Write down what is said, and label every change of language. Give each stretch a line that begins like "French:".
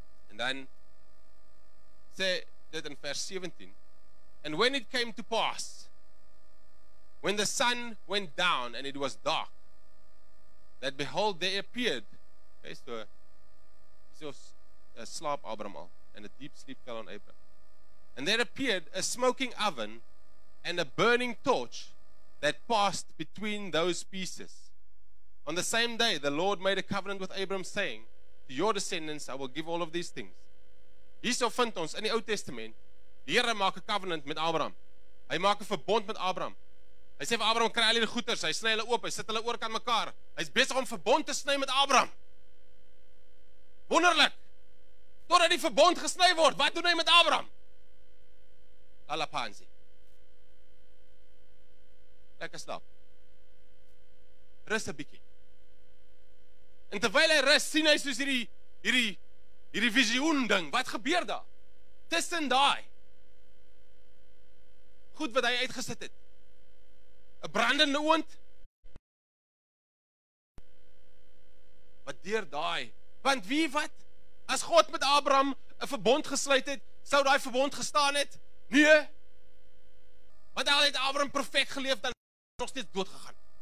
English: And then,
Afrikaans: sê dit in vers 17,
English: and when it came to pass, when the sun went down and it was dark, that behold, they appeared, okay, so,
Afrikaans: slaap Abram al,
English: and a deep sleep fell on Abram. And there appeared a smoking oven and a burning torch that passed between those pieces. On the same day, the Lord made a covenant with Abram, saying, to your descendants, I will give all of these things.
Afrikaans: Hierso vind ons in die Ou Testament, die Here maak 'n covenant met Abram. Hy maak 'n verbond met Abram. Hy sê vir Abram, kry al die goeders, hy sny hulle oop, hy sit hulle oorkant mekaar. Hy is besig om verbond te sny met Abram. Wonderlik! Totdat die verbond gesny word, wat doen hy met Abram? Alapansi. Lekker slaap. Rus 'n bietjie. En terwyl hy rus, sien hy soos hierdie visioen ding. Wat gebeur daar? Tussen daai. Goed wat hy uitgesit het. 'N brandende oond. Wat deur daai? Want wie wat? As God met Abraham 'n verbond gesluit het, sou daai verbond gestaan het? Nee. Want al het Abraham perfek geleef, dan nog steeds doodgegaan.